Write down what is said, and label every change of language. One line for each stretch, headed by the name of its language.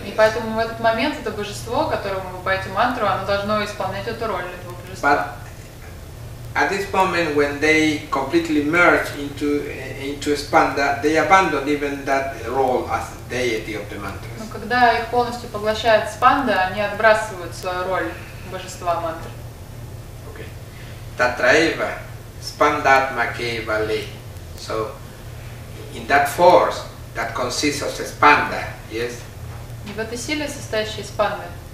Russian: И поэтому в этот момент это божество, которому вы поете мантру, оно должно исполнять эту роль этого божества.
English: But at this moment, when they completely merge into Spanda, they abandon even that role as deity of the mantra.
Russian: Но когда их полностью поглощает Спанда, они отбрасывают свою роль божества мантры.
Sanskrit: Okay. Tatraeva Spandatma Kevale.
English: So in that force that consists of Spanda, yes.
Russian: И в этой силе, состоящей из панны.